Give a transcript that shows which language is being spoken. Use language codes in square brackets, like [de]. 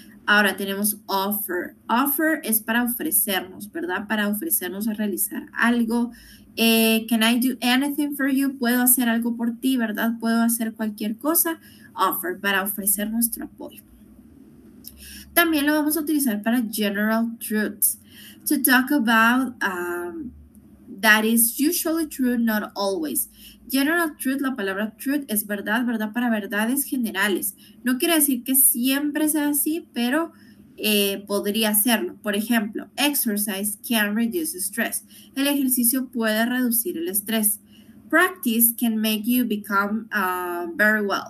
[es] Ahora tenemos offer. Offer es para ofrecernos, ¿verdad? Para ofrecernos a realizar algo. [en] Can I do anything for you? [es] ¿Puedo hacer algo por ti, verdad? ¿Puedo hacer cualquier cosa? Offer, para ofrecer nuestro apoyo. También lo vamos a utilizar para general truths. [en] To talk about that is usually true, not always. [es] General truth, la palabra truth es verdad, ¿verdad? Para verdades generales. No quiere decir que siempre sea así, pero podría serlo. Por ejemplo, [en] exercise can reduce stress. [es] El ejercicio puede reducir el estrés. [en] Practice can make you become very well.